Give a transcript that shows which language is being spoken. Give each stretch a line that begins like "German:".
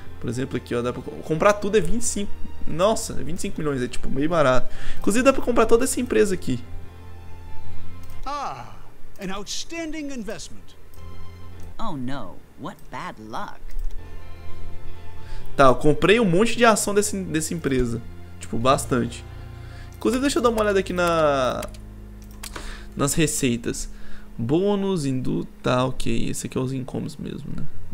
Portuguese: Por exemplo, aqui, ó, dá pra comprar tudo é 25. Nossa, 25 milhões, é tipo meio barato. Inclusive, dá pra comprar toda essa empresa aqui.
English: Ah, an outstanding investment. Oh no, what bad luck.
Portuguese: Tá, eu comprei um monte de ação dessa empresa. Tipo, bastante. Inclusive, deixa eu dar uma olhada aqui nas receitas. Bônus, tá, ok. Esse aqui é os incomes mesmo, né?